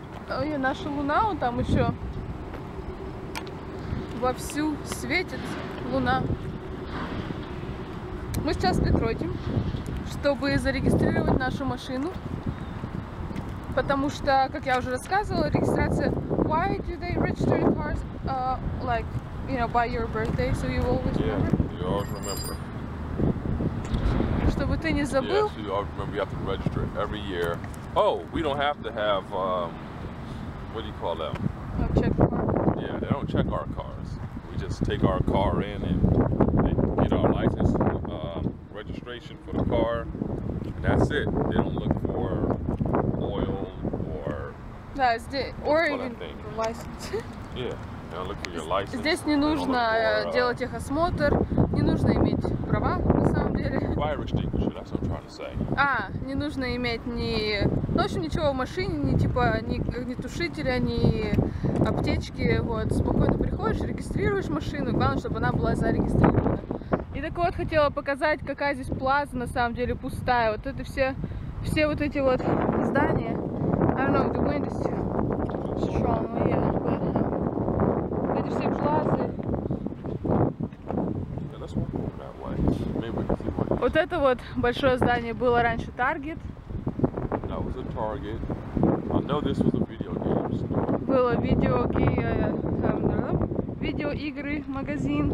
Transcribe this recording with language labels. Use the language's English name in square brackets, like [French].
[Russian] Oh yeah, наша луна, он там еще вовсю светит, луна. Мы сейчас в Детройте, чтобы зарегистрировать нашу машину. Потому что, как я уже рассказывала, регистрация... [English] Why do they register your cars, like, you know, by your birthday, so you always remember? Yeah, you always remember. [Russian] Чтобы ты не забыл... [English] Yes, you always remember, you have to register every year. Oh, we don't have to have, what do you call them? A check car. Yeah, they don't check our cars. We just take our car in and they get our license. Registration for the car, and that's it. They don't look for oil or that's it. Or even license. Yeah, they don't look for your license. [Russian] Здесь не нужно делать техосмотр, не нужно иметь права на самом деле. [English] Fire extinguisher. That's what I'm trying to say. [Russian] А, не нужно иметь ни, в общем, ничего в машине, ни типа ни огнетушителя, ни аптечки. Вот спокойно приходишь, регистрируешь машину. Главное, чтобы она была зарегистрирована. И так вот, хотела показать, какая здесь плаза, на самом деле, пустая. Вот это все вот эти вот здания. [English] I don't know, the wind is too strong, yeah, but... [Russian] Эти все плазы. Вот это вот большое здание было раньше Target. [English] That was a Target. I know this was a video game store. [Russian] Было видеоигры магазин.